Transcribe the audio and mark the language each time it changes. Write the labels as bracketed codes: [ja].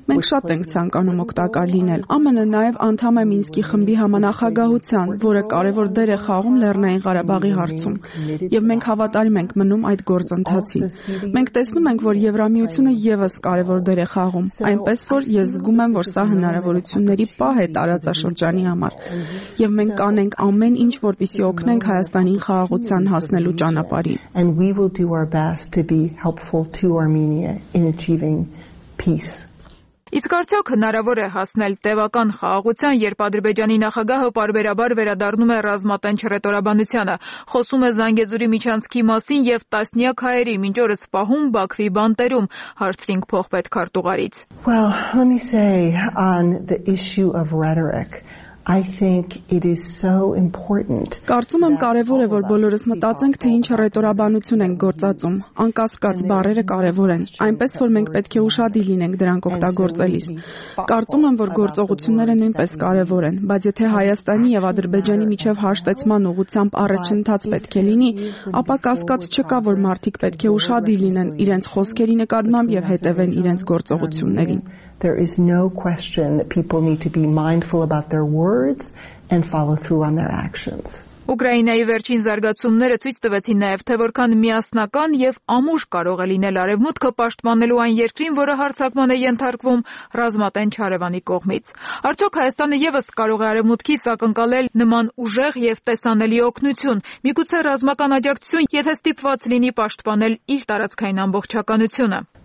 [hy] Մենք շատ ենք ցանկանում օգտակար լինել։ ԱՄՆ-ը նաև անդամ է Մինսկի խմբի համանախագահության, որը կարևոր դեր է խաղում Լեռնային Ղարաբաղի հարցում, և մենք հավատալիմ ենք մնում այդ գործընթացին։ Մենք տեսնում ենք, որ Եվրամիությունը ևս կարևոր դեր է խաղում, այնպես որ ես զգում եմ, որ սա հնարավորությունների պահ է տարածաշրջանի համար, և մենք կանենք ամեն ինչ, որպեսզի օգնենք Հայաստանին խաղաղության հասնելու ճանապարհին։ [en] And we will do our best to be helpful to Armenia in achieving peace. [hy] Իսկ արդյոք հնարավոր է հասնել տևական խաղաղության, երբ Ադրբեջանի նախագահը պարբերաբար վերադառնում է ռազմատենչ ռետորաբանությանը, խոսում է Զանգեզուրի միջանցքի մասին և տասնյակ հայերի մինչ օրս սպահում Բաքվի բանտերում, հարցրինք փոխպետքարտուղարից։ [en] Well, let me say on the issue of rhetoric. I think it is so important. [hy] Կարծում եմ կարևոր է, որ բոլորս մտածենք, թե ինչ ռետորաբանություն ենք գործածում։ Անկասկած բարերը կարևոր են, այնպես որ մենք պետք է ուրախալի լինենք դրանք օգտագործելիս։ Կարծում եմ, որ գործողությունները նույնպես կարևոր են, բայց եթե Հայաստանի եւ Ադրբեջանի միջև հաշտեցման ուղղությամբ առաջընթաց պետք է լինի, ապա կասկած չկա, որ մարդիկ պետք է ուրախալի լինեն իրենց խոսքերի նկատմամբ եւ հետևեն իրենց գործողություններին։ [en] There is no question that people need to be mindful about their words and follow through on their actions. [hy] Ուկրաինայի վերջին զարգացումները ցույց տվեցին նաև, թե որքան միասնական և ամուր կարող է լինել արևմուտքը պաշտպանելու այն երկրին, որը հարձակման է ենթարկվում ռազմատեն հարևանի կողմից։ Արդյոք Հայաստանը ևս կարող է արևմուտքից ակնկալել նման ուժեղ և տեսանելի օգնություն, միգուցե ռազմական աջակցություն, եթե ստիպված լինի պաշտպանել իր տարածքային ամբողջականությունը։